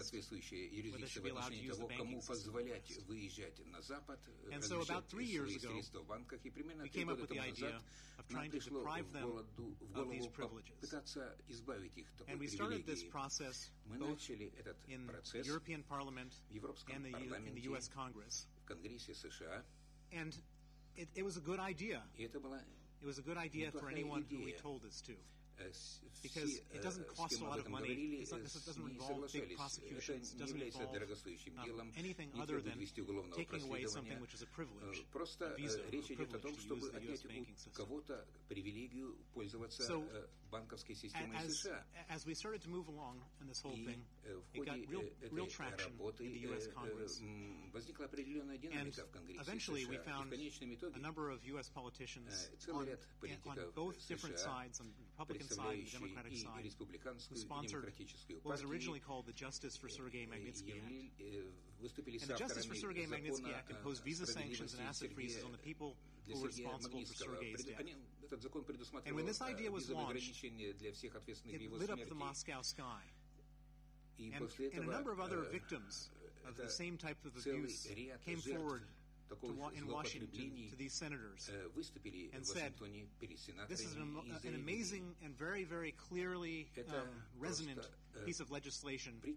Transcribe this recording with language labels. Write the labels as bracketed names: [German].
[Russian] соответствующая юрисдикция в отношении того, кому позволять выезжать на Запад, размещать свои средства в банках. И примерно 3 года тому назад нам пришло в голову попытаться избавить их от такой привилегии. Мы начали этот процесс в Европейском парламенте, в Конгрессе США. И это была идея. [English] It was a good idea for anyone who we told this to. Because it doesn't cost a lot of money, it doesn't involve big prosecutions, it doesn't involve anything other than taking away something which is a privilege, a visa, a privilege to use the U.S. banking system. So, as we started to move along in this whole thing, it got real traction in the U.S. Congress. And eventually we found a number of U.S. politicians on both different sides, on Republican side, [Russian] и республиканскую, и демократическую партии, [English] was originally called the Justice for Sergei Magnitsky Act. [Russian] Выступили с авторами закона о справедливости Сергея Магнитского, который [English] imposed visa sanctions and asset freezes on the people who were responsible for Sergei's death. [Russian] Этот закон предусматривал визовые ограничения для всех ответственных его смерти. [English] The Moscow sky. [Russian] И после этого, [English] and a number of other victims of the same type of abuse came forward in Washington to these senators and said, this is an amazing and very, very clearly resonant piece of legislation.